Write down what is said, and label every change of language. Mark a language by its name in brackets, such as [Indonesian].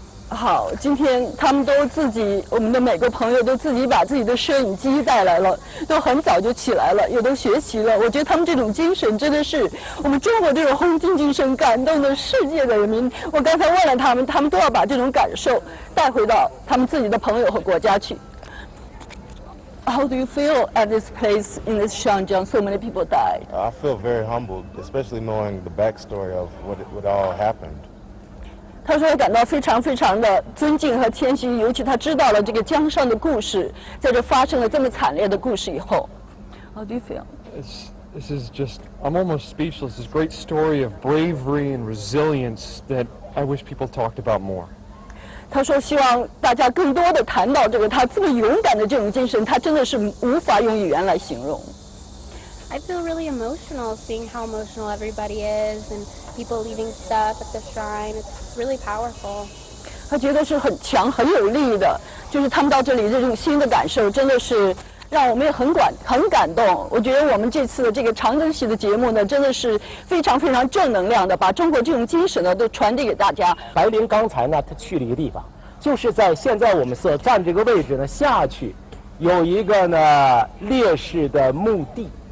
[Chinese] 好，今天他们都自己，我们的美国朋友都自己把自己的摄影机带来了，都很早就起来了，也都学习了。我觉得他们这种精神真的是我们中国这种红军精神感动的世界的人民。我刚才问了他们，他们都要把这种感受带回到他们自己的朋友和国家去。 [English] How do you feel at this place in this Xiangjiang? So many people died. I feel very humbled, especially knowing the backstory of what all happened. [Chinese] 他说感到非常非常的尊敬和谦虚，尤其他知道了这个江上的故事，在这发生了这么惨烈的故事以后。 [English] How do you feel? This is just, I'm almost speechless. This great story of bravery and resilience that I wish people talked about more. [Chinese] 他说希望大家更多的谈到这个他这么勇敢的这种精神，他真的是无法用语言来形容。 [English] I feel really emotional seeing how emotional everybody is and people leaving stuff at the shrine. It's really powerful. [Chinese] 他觉得是很强很有力的，就是他们到这里这种新的感受真的是让我们也很感动。我觉得我们这次的这个长征系的节目呢真的是非常非常正能量的，把中国这种精神呢都传递给大家。白灵刚才呢他去了一个地方，就是在现在我们所站这个位置呢下去有一个呢烈士的墓地。